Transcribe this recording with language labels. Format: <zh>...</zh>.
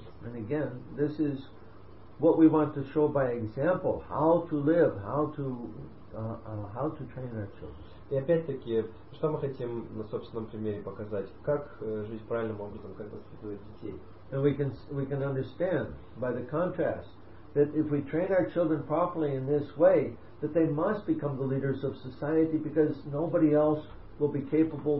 <en>And again, this is what we want to show by example, how to live, how to how to train our children.</en> <ru>И опять-таки, что мы хотим на собственном примере показать, как жить правильным образом, как воспитывать детей.</ru> <en>And we can understand by the contrast that if we train our children properly in this way, that they must become the leaders of society, because nobody else will be capable.</en>